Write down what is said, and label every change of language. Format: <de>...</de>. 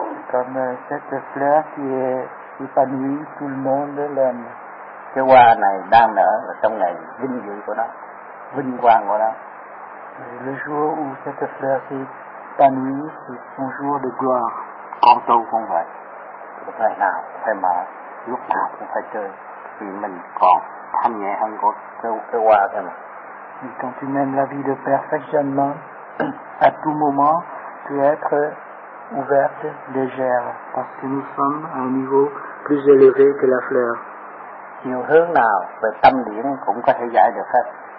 <fr>Comme cette fleur qui est épanouie, tout le monde l'aime.</fr> <vi>Cái hoa này đang nở trong ngày vinh dự của nó, vinh quang của nó.</vi> <fr>Le jour où cette fleur s'est épanouie, c'est son jour de gloire.</fr> <vi>Con tu cũng vậy. Ngày nào, phải mà, lúc nào cũng phải chơi. Vì mình còn thanh nhẹ hơn con cái hoa thôi mà.</vi> <fr>Et quand tu mènes la vie de perfectionnement, à tout moment, être ouverte, légère, parce que nous sommes à un niveau plus élevé que la fleur.</fr> <vi>Chiều hướng nào về tâm điển cũng có thể giải được hết.</vi>